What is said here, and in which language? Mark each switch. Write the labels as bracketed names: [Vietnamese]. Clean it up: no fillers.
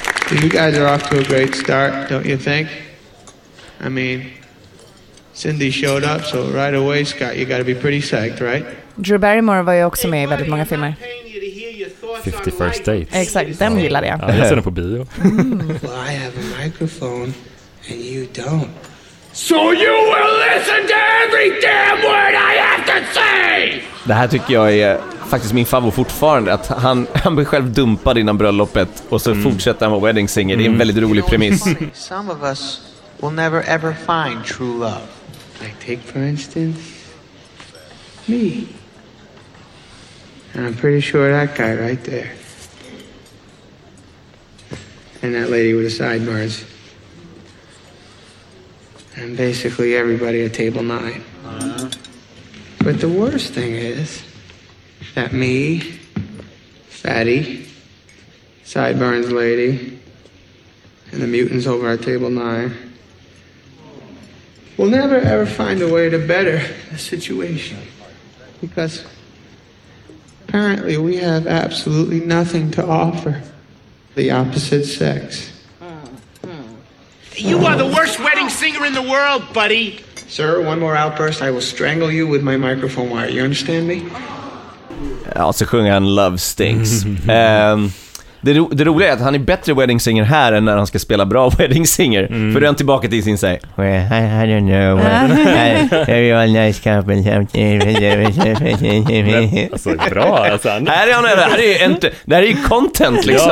[English] You guys are off to a great start, don't you think? I mean, Cindy showed up, so right away, Scott, you got to be pretty psyched, right? [Swedish] Drew Barrymore var ju också med i väldigt många filmer. [English] 51st Dates. [Swedish] Exakt, den gillar jag. Ja, jag ser den på bio. [English] Well, I have a microphone and you don't. So you will listen to every damn word I have to say! Det här tycker jag är faktiskt min favorit fortfarande. Att han blir själv dumpad innan bröllopet och så fortsätter han vara wedding singer. Det är en väldigt rolig premiss. Some of us will never ever find true love. Like take for instance me. And I'm pretty sure that guy right there and that lady with the sideburns and basically everybody at table 9. But the worst thing is that me, fatty, sideburns lady, and the mutants over at table 9 will never ever find a way to better the situation, because apparently we have absolutely nothing to offer the opposite sex. You are the worst wedding singer in the world, buddy. Sir, one more outburst, I will strangle you with my microphone wire. You understand me? [Swedish] Ja, så sjunger han Love Stinks. Det roliga är att han är bättre wedding singer här än när han ska spela bra wedding singer. Mm. För då är han tillbaka till sin såhär [English] I don't know what, I, all nice couple. [Swedish] Alltså bra alltså. Här är han, det här är ju inte, det här är ju content liksom.